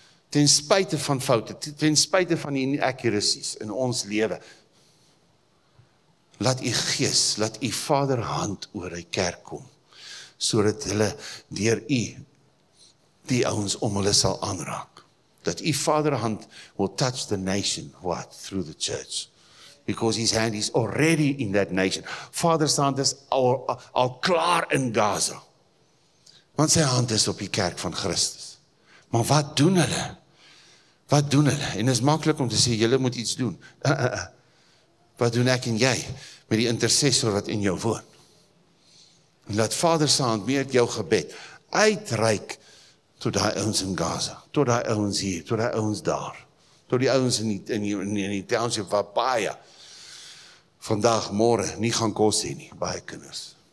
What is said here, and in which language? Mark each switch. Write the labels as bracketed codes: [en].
[af] ten spyte van foute, ten spyte van die inaccuracies in ons lewe. Laat u gees, laat u Vader hand oor die kerk kom, sodat hulle deur u die ouens om hulle sal aanraak. [en] Dat u Vader hand will touch the nation, what? Through the church. Because his hand is already in that nation. [af] Vader's hand is al klaar in Gaza. Want sy hand is op die kerk van Christus. Maar wat doen hulle? Wat doen hulle? En is makkelijk om te sê, julle moet iets doen. Wat doen ek en jy met die intercessor wat in jou woon? En laat Vader se hand meer jou gebed uitreik tot die ouens in Gaza, tot die ouens hier, tot die ouens daar, tot die ouens in die township waar baie vandag, morgen nie gaan kos hê nie, baie kinders.